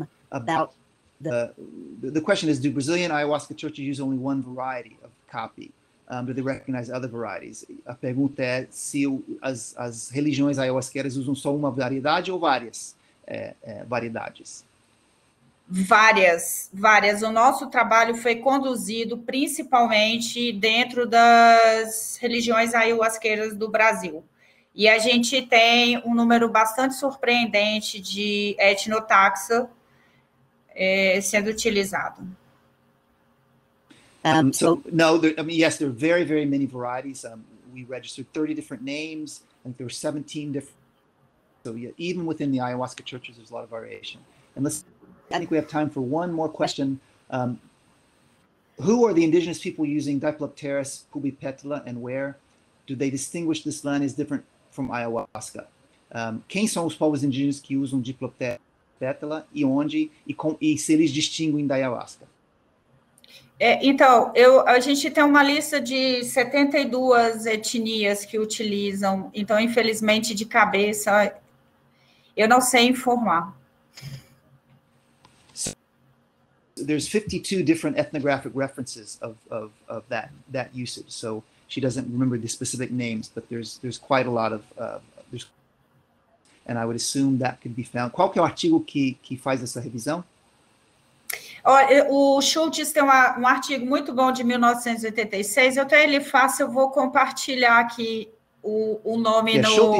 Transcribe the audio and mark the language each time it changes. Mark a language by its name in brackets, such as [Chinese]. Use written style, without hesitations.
[English] About the question is, do Brazilian ayahuasca churches use only one variety of copy? Do they recognize other varieties? [Portuguese] A pergunta é se as religiões ayahuasqueiras usam só uma variedade ou várias? Variedades. Várias. O nosso trabalho foi conduzido principalmente dentro das religiões ayahuasqueiras do Brasil. E a gente tem um número bastante surpreendente de etnotaxa sendo utilizado. [English] Yes, there are very, very many varieties. We registered 30 different names. I think there were 17 different. So yeah, even within the ayahuasca churches, there's a lot of variation. And I think we have time for one more question. Who are the indigenous people using Diplopteris pubipetala and where? Do they distinguish this land as different from ayahuasca? [Portuguese] Quem são os povos indígenas que usam Diplopteris e onde? E se eles distinguem da ayahuasca? A gente tem uma lista de 72 etnias que utilizam. Então, infelizmente, de cabeça... Eu não sei informar. [English] So, there's 52 different ethnographic references of that usage. So she doesn't remember the specific names, but there's quite a lot of there's, and I would assume that could be found. [Portuguese] Qual que é o artigo que faz essa revisão? O Schultz tem um artigo muito bom de 1986. Eu tenho ele fácil, eu vou compartilhar aqui o nome no chat.